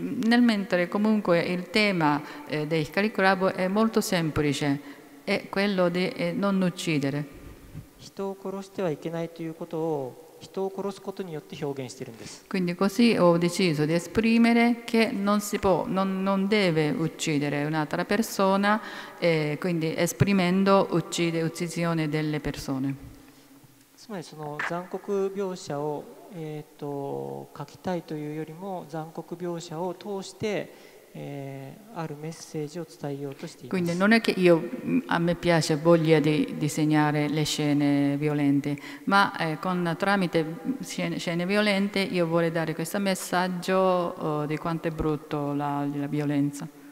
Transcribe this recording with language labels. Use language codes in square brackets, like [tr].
[it] nel mentre comunque il tema di Hikari Club è molto semplice, è quello di non uccidere. [ja] 人を殺してはいけないということを人を殺すことによって表現しているんです。 [it] Quindi così ho deciso di esprimere che non si può, non deve uccidere un'altra persona, quindi esprimendo uccisione delle persone. [ja] つまりその残酷描写を描きたいというよりも残酷描写を通して [it] Quindi non è che io, a me piace, voglia di disegnare le scene violente, ma tramite scene violente io vorrei dare questo messaggio di quanto è brutto la violenza.